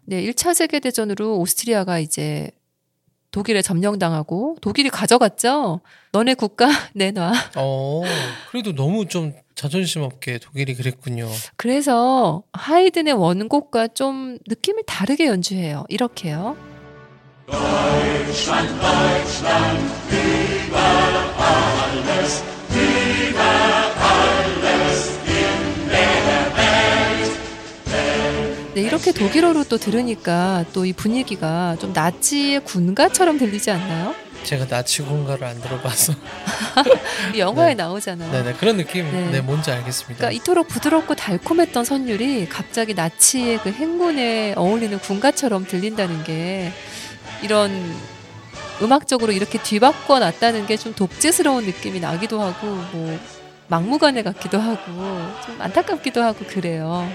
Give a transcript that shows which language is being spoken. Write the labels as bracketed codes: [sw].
[ko] 네, 1차 세계대전으로 오스트리아가 이제 독일에 점령당하고 독일이 가져갔죠? 너네 국가 내놔. 그래도 너무 좀 자존심 없게 독일이 그랬군요. 그래서 하이든의 원곡과 좀 느낌이 다르게 연주해요. 이렇게요. [de] Deutschland, Deutschland, über alles, über alles in der Welt. [ko] 네, 이렇게 독일어로 또 들으니까 또 이 분위기가 좀 나치의 군가처럼 들리지 않나요? 제가 나치 군가를 안 들어봐서. 영화에 네. 나오잖아요. 네네, 그런 느낌. 네. 네, 뭔지 알겠습니다. 그러니까 이토록 부드럽고 달콤했던 선율이 갑자기 나치의 그 행군에 어울리는 군가처럼 들린다는 게 이런 음악적으로 이렇게 뒤바꿔 놨다는 게 좀 독재스러운 느낌이 나기도 하고 뭐 막무가내 같기도 하고 좀 안타깝기도 하고 그래요.